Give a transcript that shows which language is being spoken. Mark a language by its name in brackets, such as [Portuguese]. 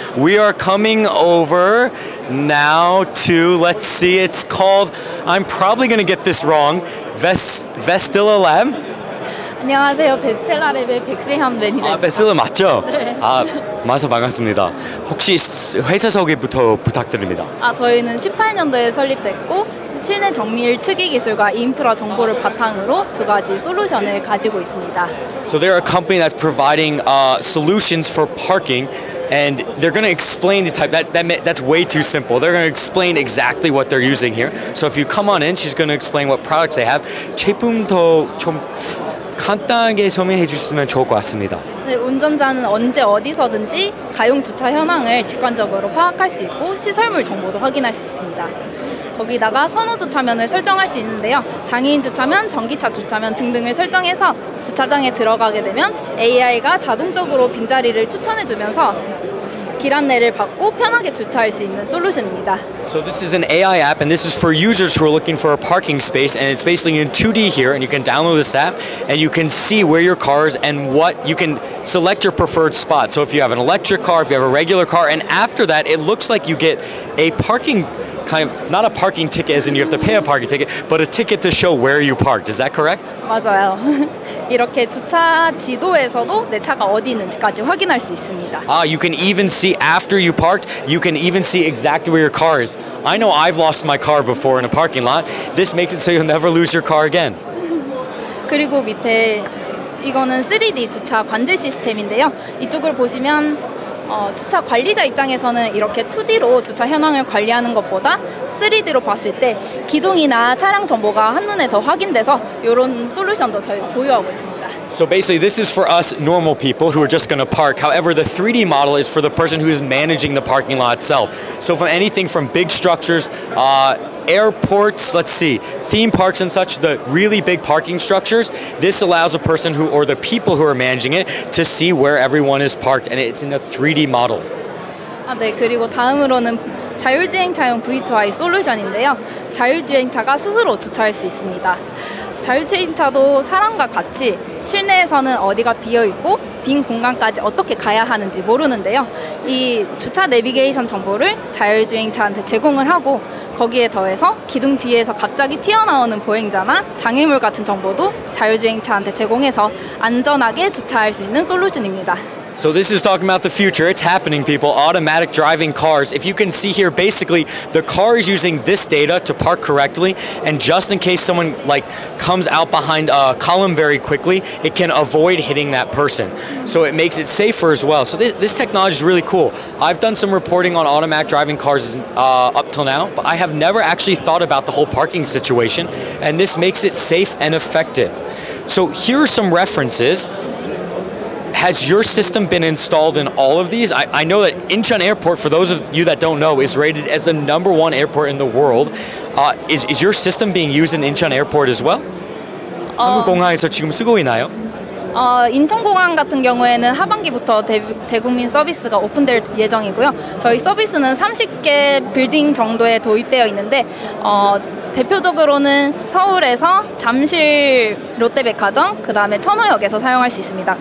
[English] We are coming over now to, let's see, it's called, I'm probably going to get this wrong, Veste-la-lab? [Korean] 안녕하세요. 베스텔라랩의 백세현 매니저입니다. 아, 베스텔라 맞죠? 네. 아, 맞아 반갑습니다. 혹시 회사 소개부터 부탁드립니다. 아, 저희는 18년도에 설립됐고 실내 정밀 특이 기술과 인프라 정보를 바탕으로 두 가지 솔루션을 가지고 있습니다. [English] So they're a company that's providing solutions for parking. And they're going to explain this type. That's way too simple. They're going to explain exactly what they're using here. So if you come on in, she's going to explain what products they have. [Korean] 제품도 좀 간단하게 설명해 주시면 좋을 것 같습니다. 네, 운전자는 언제 어디서든지 가용 주차 현황을 직관적으로 파악할 수 있고 시설물 정보도 확인할 수 있습니다. 거기다가 선호 주차면을 설정할 수 있는데요. 장애인 주차면, 전기차 주차면 등등을 설정해서 주차장에 들어가게 되면 AI가 자동적으로 빈자리를 추천해주면서 길 안내를 받고 편하게 주차할 수 있는 솔루션입니다. [English] So this is an AI app and this is for users who are looking for a parking space and it's basically in 2D here and you can download this app and you can see where your car is and what you can select your preferred spot. So if you have an electric car, if you have a regular car and after that it looks like you get a parking kind of, not a parking ticket as in you have to pay a parking ticket, but a ticket to show where you parked. Is that correct? [Korean] 맞아요. 이렇게 주차 지도에서도 내 차가 어디 있는지까지 확인할 수 있습니다. [English] Ah, you can even see after you parked, you can even see exactly where your car is. I know I've lost my car before in a parking lot. This makes it so you'll never lose your car again. [Korean] 그리고 밑에 이거는 3D 주차 관제 시스템인데요. 이쪽을 보시면 주차 관리자 입장에서는 이렇게 2D로 주차 현황을 관리하는 것보다 3D로 봤을 때 기둥이나 차량 정보가 한눈에 더 확인돼서 이런 솔루션도 저희가 보유하고 있습니다. [English] So basically this is for us normal people who are just going to park. However, the 3D model is for the person who is managing the parking lot itself. So from anything from big structures, airports, let's see, theme parks and such, the really big parking structures, this allows a person who, or the people who are managing it, to see where everyone is parked, and it's in a 3D model. [Korean] 아, 네, 그리고 다음으로는 자율주행차용 V2I 솔루션인데요. 자율주행차가 스스로 주차할 수 있습니다. 자율주행차도 사람과 같이 실내에서는 어디가 비어있고 빈 공간까지 어떻게 가야 하는지 모르는데요. 이 주차 내비게이션 정보를 자율주행차한테 제공을 하고 거기에 더해서 기둥 뒤에서 갑자기 튀어나오는 보행자나 장애물 같은 정보도 자율주행차한테 제공해서 안전하게 주차할 수 있는 솔루션입니다. [English] So this is talking about the future. It's happening, people. Automatic driving cars. If you can see here, basically, the car is using this data to park correctly. And just in case someone, like, comes out behind a column very quickly, it can avoid hitting that person. So it makes it safer as well. So this technology is really cool. I've done some reporting on automatic driving cars up till now, but I have never actually thought about the whole parking situation. And this makes it safe and effective. So here are some references. Has your system been installed in all of these? I know that Incheon Airport, for those of you that don't know, is rated as the number one airport in the world. Is your system being used in Incheon Airport as well? [Korean] 한국공항에서 지금 쓰고 있나요? 인천공항 같은 경우에는 하반기부터 대국민 서비스가 오픈될 예정이고요. 저희 서비스는 30개 빌딩 정도에 도입되어 있는데 대표적으로는 서울에서 잠실 롯데백화점, 그 다음에 천호역에서 사용할 수 있습니다.